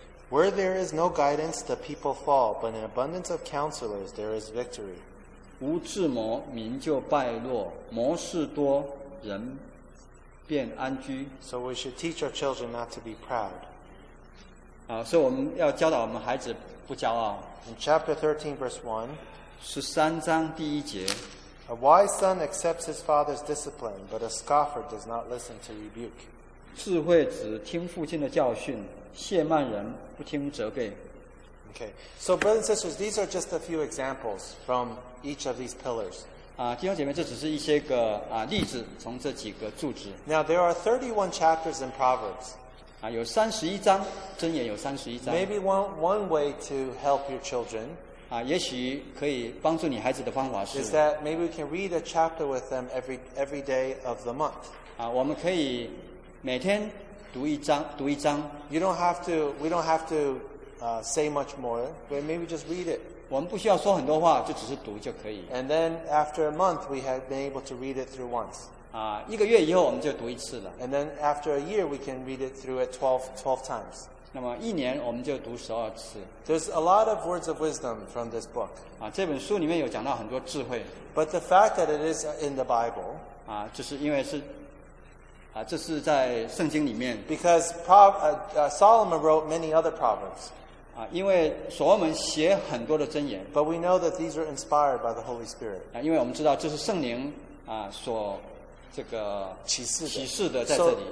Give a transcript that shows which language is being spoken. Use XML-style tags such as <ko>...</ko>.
<en>Where there is no guidance, the people fall, but in abundance of counselors, there is victory.</en> <zh>无智谋，民就败落，谋士多，人便安居。</zh> <en>So we should teach our children not to be proud.</en> <zh>所以我们要教导我们孩子不骄傲。</zh> <en>In chapter 13, verse 1.</en> <zh>13章第一节</zh> <en>A wise son accepts his father's discipline, but a scoffer does not listen to rebuke.</en> <zh>智慧子听父亲的教训，懈慢人不听责备。</zh> <en>Okay, so brothers and sisters, these are just a few examples from each of these pillars.</en> <zh>弟兄姐妹，这只是一些个例子，从这几个柱子。</zh> <en>Now there are 31 chapters in Proverbs.</en> <zh>有31章，箴言有31章。</zh> <en>Maybe one way to help your children.</en> <zh>也许可以帮助你孩子的方法是。</zh> <en>Is that maybe we can read a chapter with them every day of the month.</en> <zh>我们可以每天读一章，读一章。</zh> <en>You don't have to. We don't have to. Say much more, but maybe just read it.</en> <zh>我们不需要说很多话，就只是读就可以。</zh> <en>And then after a month, we have been able to read it through once.</en> <zh>一个月以后我们就读一次了。</zh> <en>And then after a year, we can read it through it 12 times.</en> <zh>那么一年我们就读12次。</zh> <en>There's a lot of words of wisdom from this book.</en> <zh>这本书里面有讲到很多智慧。</zh> <en>But the fact that it is in the Bible.</en> <zh>就是因为是。这是在圣经里面。</zh> <en>Because Solomon wrote many other proverbs.</en> <zh>因为所罗门写很多的箴言。</zh> <en>But we know that these are inspired by the Holy Spirit.</en> <zh>因为我们知道这是圣灵所这个启示的在这里。</zh>